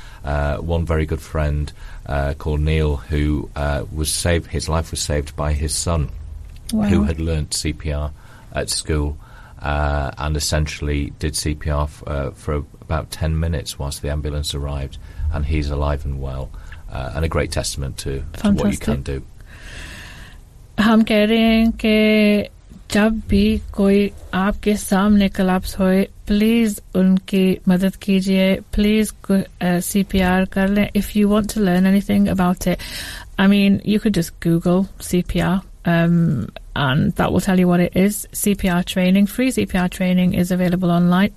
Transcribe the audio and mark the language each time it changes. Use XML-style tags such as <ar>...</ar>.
<en>One very good friend called Neil, who his life was saved by his son, wow, who had learnt CPR at school. And essentially did CPR for about 10 minutes whilst the ambulance arrived, and he's alive and well, and a great testament to what you can do.</en> <ur>ہم کہہ رہے ہیں کہ جب بھی کوئی آپ کے سامنے collapse ہوئے،</ur> <en>please</en> <ur>unki madad kijiye, please CPR karle</ur> <en>if you want to learn anything about it. I mean, you could just Google CPR and that will tell you what it is. CPR training, free CPR training is available online.</en>